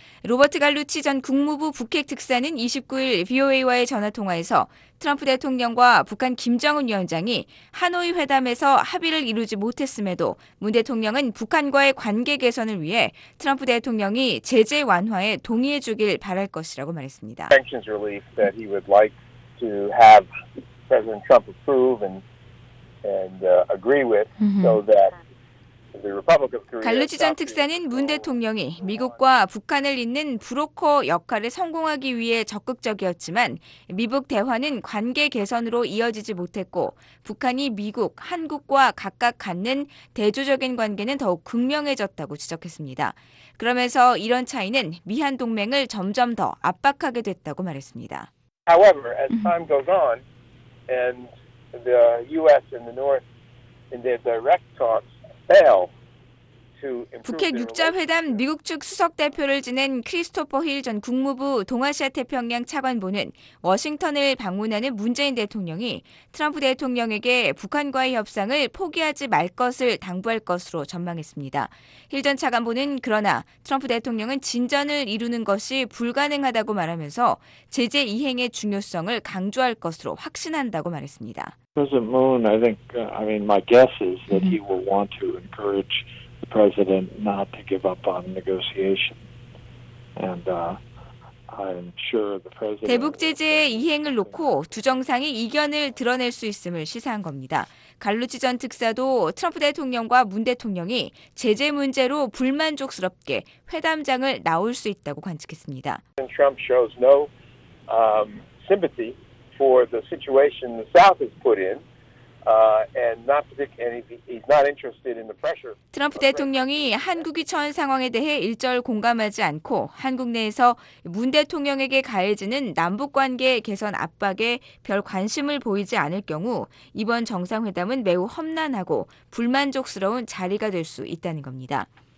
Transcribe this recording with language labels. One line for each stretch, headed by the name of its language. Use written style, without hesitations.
Korean: 로버트 갈루치 전 국무부 북핵특사는 29일 VOA와의 전화통화에서 트럼프 대통령과 북한 김정은 위원장이 하노이 회담에서 합의를 이루지 못했음에도 문 대통령은 북한과의 관계 개선을 위해 트럼프 대통령이 제재 완화에 동의해 주길 바랄 것이라고 말했습니다.
English: Sanctions relief that he would like to have President Trump approve and agree with so that
Korean: 갈루치 전 특사는 문 대통령이 미국과 북한을 잇는 브로커 역할에 성공하기 위해 적극적이었지만 미북 대화는 관계 개선으로 이어지지 못했고 북한이 미국, 한국과 각각 갖는 대조적인 관계는 더욱 극명해졌다고 지적했습니다. 그러면서 이런 차이는 미한 동맹을 점점 더 압박하게 됐다고 말했습니다.
English: However, as time goes on and the U.S. and the North in their direct talks
Korean: 북핵 6자회담 미국 측 수석대표를 지낸 크리스토퍼 힐 전 국무부 동아시아태평양 차관보는 워싱턴을 방문하는 문재인 대통령이 트럼프 대통령에게 북한과의 협상을 포기하지 말 것을 당부할 것으로 전망했습니다. 힐 전 차관보는 그러나 트럼프 대통령은 진전을 이루는 것이 불가능하다고 말하면서 제재 이행의 중요성을 강조할 것으로 확신한다고 말했습니다.
English: President Moon, I think, I mean, my guess is that he will want to encourage the president not to give up on negotiation. And I'm sure the president.
Korean: 대북 제재의 이행을 놓고 두 정상이 이견을 드러낼 수 있음을 시사한 겁니다. 갈루치 전 특사도 트럼프 대통령과 문 대통령이 제재 문제로 불만족스럽게 회담장을 나올 수 있다고 관측했습니다.
English: Trump shows no sympathy. For the situation the South has put in, and not particularly, and he's not interested in the pressure.
Korean: 트럼프 대통령이 한국이 처한 상황에 대해 일절 공감하지 않고 한국 내에서 문 대통령에게 가해지는 남북 관계 개선 압박에 별 관심을 보이지 않을 경우 이번 정상회담은 매우 험난하고 불만족스러운 자리가 될 수 있다는 겁니다.